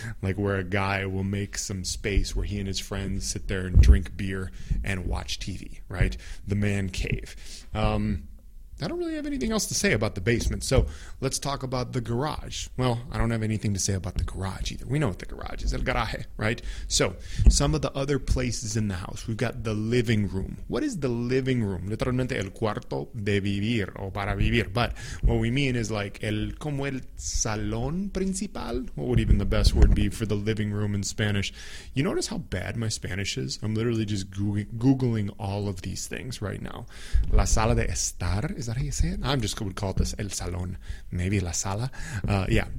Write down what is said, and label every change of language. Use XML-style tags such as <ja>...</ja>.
<en>Like where a guy will make some space where he and his friends sit there and drink beer and watch TV, right? The man cave. I don't really have anything else to say about the basement, so let's talk about the garage. Well, I don't have anything to say about the garage either. We know what the garage is, el garaje, right? So, some of the other places in the house. We've got the living room. What is the living room?</en> <es>Literalmente, el cuarto de vivir, o para vivir.</es> <en>But what we mean is like,</en> <es>el como el salón principal?</es> <en>What would even the best word be for the living room in Spanish? You notice how bad my Spanish is? I'm literally just Googling all of these things right now.</en> <es>La sala de estar?</es> <en>Is that how you say it? I'm just going to call this el salón. Maybe la sala. Yeah.</en>